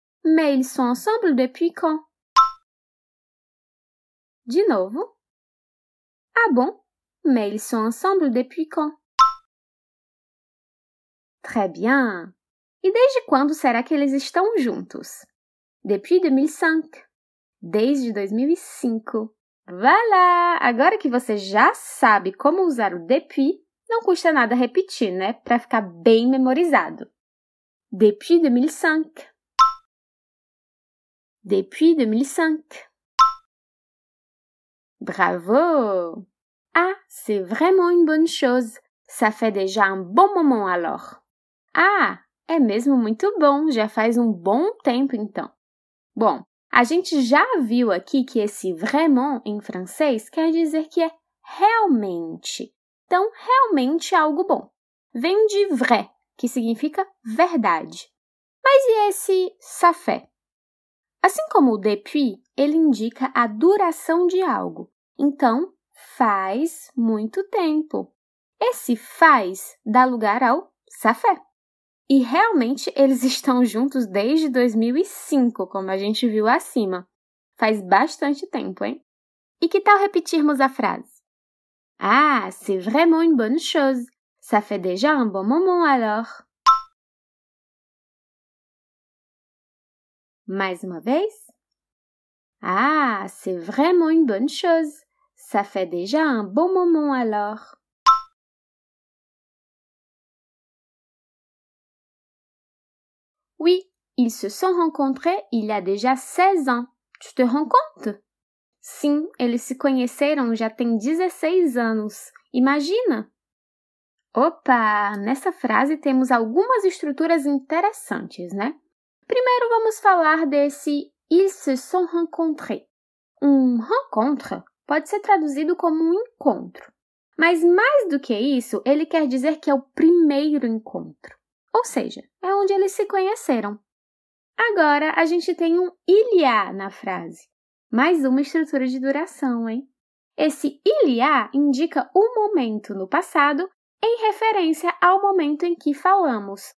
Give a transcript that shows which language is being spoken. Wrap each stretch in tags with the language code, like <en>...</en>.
<fr>Mais ils sont ensemble depuis quand?</fr> <pt>De novo.</pt> <fr>Ah bon? Mais ils sont ensemble depuis quand? Très bien!</fr> <pt>E desde quando será que eles estão juntos?</pt> <fr>Depuis 2005.</fr> <pt>Desde 2005. Voilà! Agora que você já sabe como usar o depuis, não custa nada repetir, né? Para ficar bem memorizado.</pt> <fr>Depuis 2005. Depuis 2005. Bravo! Ah, c'est vraiment une bonne chose. Ça fait déjà un bon moment alors.</fr> <pt>Ah, é mesmo muito bom. Já faz um bom tempo então. Bom. A gente já viu aqui que esse vraiment em francês quer dizer que é realmente. Então, realmente algo bom. Vem de vrai, que significa verdade. Mas e esse ça fait? Assim como o depuis, ele indica a duração de algo. Então, faz muito tempo. Esse faz dá lugar ao ça fait. E realmente eles estão juntos desde 2005, como a gente viu acima. Faz bastante tempo, hein? E que tal repetirmos a frase?</pt> <fr>Ah, c'est vraiment une bonne chose. Ça fait déjà un bon moment alors.</fr> <pt>Mais uma vez?</pt> <fr>Ah, c'est vraiment une bonne chose. Ça fait déjà un bon moment alors. Oui, ils se sont rencontrés il y a déjà 16 ans. Tu te rends compte?</fr> <pt>Sim, eles se conheceram já tem 16 anos. Imagina! Opa, nessa frase temos algumas estruturas interessantes, né? Primeiro vamos falar desse</pt> <fr>ils se sont rencontrés.</fr> <pt>Um rencontre pode ser traduzido como um encontro. Mas mais do que isso, ele quer dizer que é o primeiro encontro. Ou seja, é onde eles se conheceram. Agora, a gente tem um il y a na frase. Mais uma estrutura de duração, hein? Esse il y a indica o momento no passado em referência ao momento em que falamos.</pt>